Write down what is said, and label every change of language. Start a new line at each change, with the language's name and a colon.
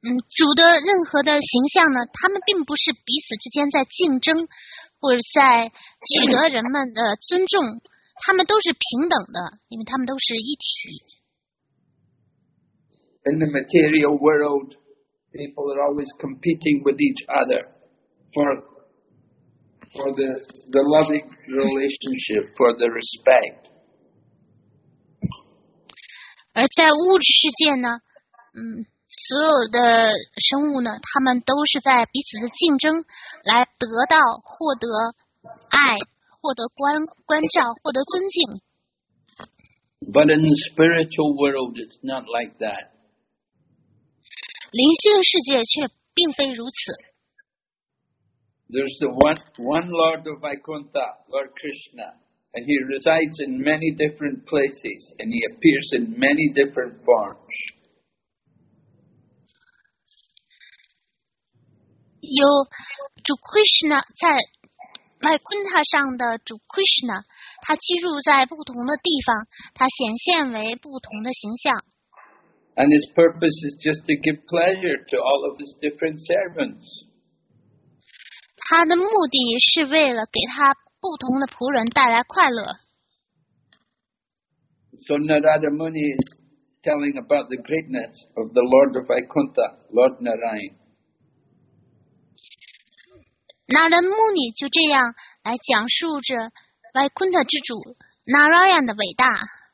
Chinese: 主的任何的形象呢，他们并不是彼此之间在竞争，或者在取得人们的尊重，他们都是平等的，因为他们都是一体。
English: In the material world, people are always competing with each other for the loving relationship, for the respect.
Chinese: 而在物质世界呢，所有的生物呢，他们都是在彼此的竞争，来得到、获得爱、获得关照、获得尊敬。
English: But in the spiritual world, it's not like that.
Chinese: 灵性世界却并非如此。
English: There's the one Lord of Vaikuntha, Lord Krishna, and he resides in many different places, and he appears in many different forms.
Chinese: 有主 Krishna 在 Vaikuntha 上的主 Krishna, 他居住在不同的地方，他显现为不同的形象。
English: And his purpose is just to give pleasure to all of his different servants.
Chinese: 他的目的是为了给他不同的仆人带来快乐。
English: So Narada Muni is telling about the greatness of the Lord of Vaikuntha, Lord Narayan.
Chinese: Narada Muni 就这样来讲述着 Vaikuntha 之主 Narayan 的伟大。